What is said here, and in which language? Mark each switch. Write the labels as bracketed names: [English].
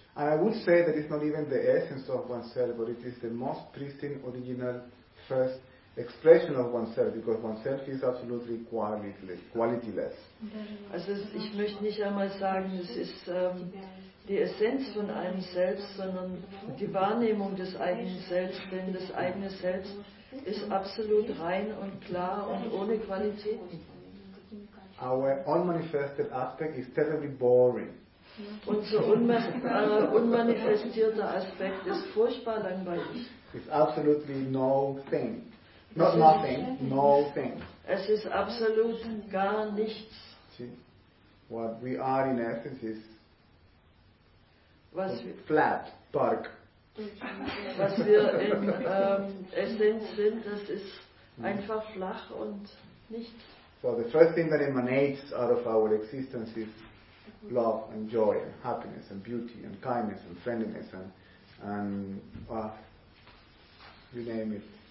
[English] And I would say that it's not even the essence of oneself, but it is the most pristine, original, first expression of oneself, because oneself is absolutely qualityless. [German] Also ich möchte nicht einmal sagen, es ist die Essenz von einem selbst, sondern die Wahrnehmung des eigenen Selbst, denn das eigene Selbst ist absolut rein und klar und ohne Qualitäten. [English] Our unmanifested aspect is terribly boring. [German] Unser unmanifestierter Aspekt ist furchtbar langweilig. [English] It's absolutely no thing. Not nothing, no thing. [German] Es ist absolut gar nichts. [English] See, what we are in essence is [German] was [English] flat, dark. [German] Was wir in Essenz sind, das ist einfach flach und nichts. [English] So the first thing that emanates out of our existence is love and joy and happiness and beauty and kindness and friendliness and you name it.